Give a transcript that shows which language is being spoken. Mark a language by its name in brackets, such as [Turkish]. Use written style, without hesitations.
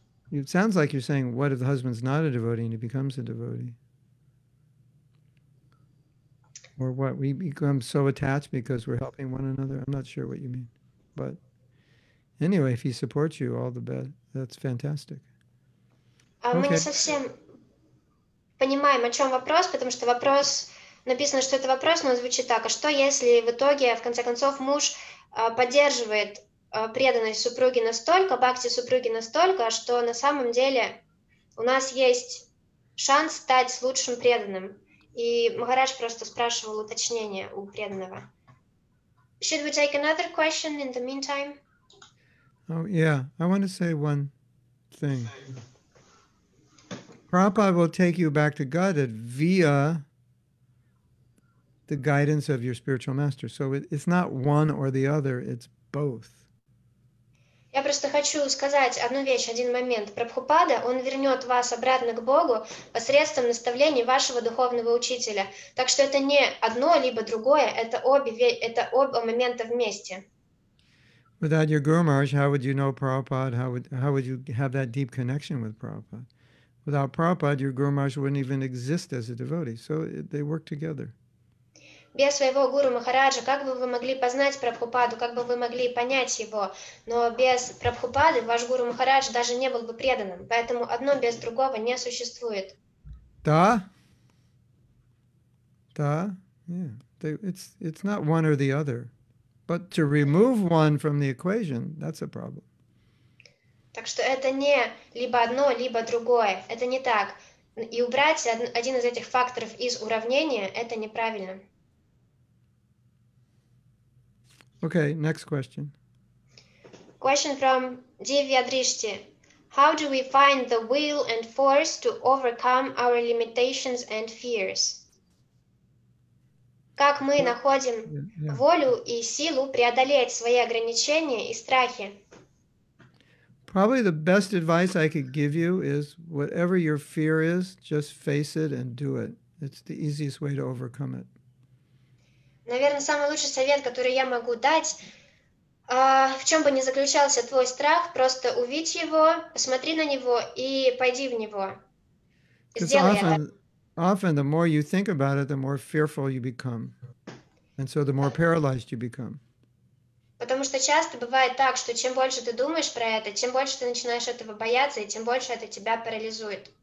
[English] It sounds like you're saying, what if the husband's not a devotee and he becomes a devotee? Or what, we become so attached because we're helping one another? I'm not sure what you mean. But anyway, if he supports you, all the better. That's fantastic. [Russian] Мы не совсем понимаем, о чем вопрос, потому что вопрос, написано, что это вопрос, но звучит так. А что, если в итоге, в конце концов, муж поддерживает преданность супруги настолько, бхакти супруги настолько, что на самом деле у нас есть шанс стать лучшим преданным. И Махарадж просто спрашивал уточнение у преданного. [English] Should we take another question in the meantime? Oh, yeah. I want to say one thing. Prabhupada will take you back to Godhead via the guidance of your spiritual master. So it's not one or the other, it's both. [Russian] Я просто хочу сказать одну вещь, один момент. Прабхупада, он вернет вас обратно к Богу посредством наставлений вашего духовного учителя. Так что это не одно либо другое, это оба момента вместе. [English] Without your Guru Maharaj, how would you know Prabhupada? How would you have that deep connection with Prabhupada? Without Prabhupada, your Guru Maharaj wouldn't even exist as a devotee. So they work together. [Russian] Без своего гуру Махараджа, как бы вы могли познать Прабхупаду, как бы вы могли понять его, но без Прабхупады ваш гуру Махарадж даже не был бы преданным, поэтому одно без другого не существует. Да? [English] Да? Yeah. It's not one or the other. But to remove one from the equation, that's a problem. [Russian] Так что это не либо одно, либо другое. Это не так. И убрать один из этих факторов из уравнения, это неправильно. [English] Okay, next question. Question from Divya Drishti. How do we find the will and force to overcome our limitations and fears? [Russian] Как мы находим волю и силу преодолеть свои ограничения и страхи? [English] Probably the best advice I could give you is whatever your fear is, just face it and do it. It's the easiest way to overcome it. [Russian] Наверное, самый лучший совет, который я могу дать, в чем бы ни заключался твой страх, просто увидь его, посмотри на него и пойди в него. Сделай often, это. [English] Often the more you think about it, the more fearful you become. And so the more paralyzed you become. [Russian] Потому что часто бывает так, что чем больше ты думаешь про это, тем больше ты начинаешь этого бояться, и тем больше это тебя парализует.